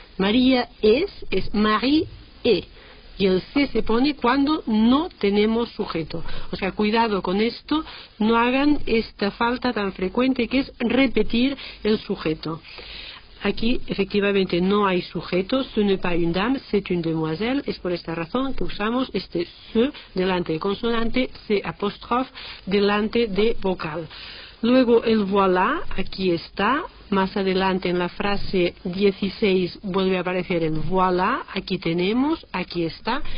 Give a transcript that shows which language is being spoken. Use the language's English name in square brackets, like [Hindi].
[Spanish] María es [French] Marie est. [Spanish] Y el C se pone cuando no tenemos sujeto. O sea, cuidado con esto, no hagan esta falta tan frecuente que es repetir el sujeto. Aquí, efectivamente, no hay sujeto. [French] Ce n'est pas une dame, c'est une demoiselle. [Spanish] Es por esta razón que usamos este ce delante de consonante, ce apostrophe delante de vocal. Luego el voilà, aquí está. Más adelante en la frase 16 vuelve a aparecer el voilà, aquí tenemos, aquí está.